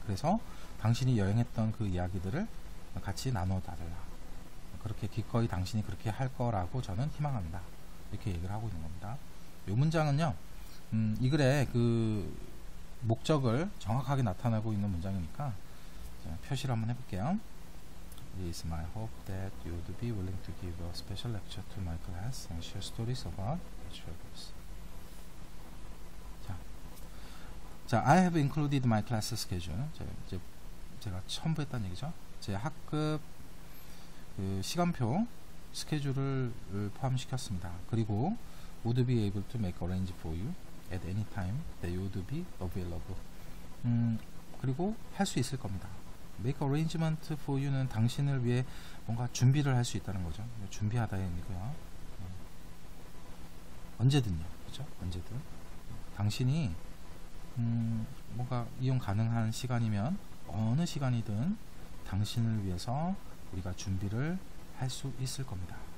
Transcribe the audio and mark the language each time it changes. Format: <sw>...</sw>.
<ko>그래서 당신이 여행했던 그 이야기들을 같이 나눠 달라. 그렇게 기꺼이 당신이 그렇게 할 거라고 저는 희망합니다. 이렇게 얘기를 하고 있는 겁니다. 요 문장은요. 이 글에 그 목적을 정확하게 나타내고 있는 문장이니까 표시를 한번 해볼게요.</ko> <en>It is my hope that you would be willing to give a special lecture to my class and share stories about your travels. 자, I have included my class schedule.</en> <ko>제가 처음 했다는 얘기죠. 제 학급 그 시간표 스케줄을 포함시켰습니다. 그리고</ko> <en>would be able to make arrange for you. at any time that you would be available.</en> <ko>그리고 할 수 있을 겁니다.</ko> <en>Make arrangement for you</en> <ko>는 당신을 위해 뭔가 준비를 할 수 있다는 거죠. 준비하다의 의미고요. 언제든요. 그렇죠? 언제든. 당신이 뭔가 이용 가능한 시간이면 어느 시간이든 당신을 위해서 우리가 준비를 할 수 있을 겁니다.</ko>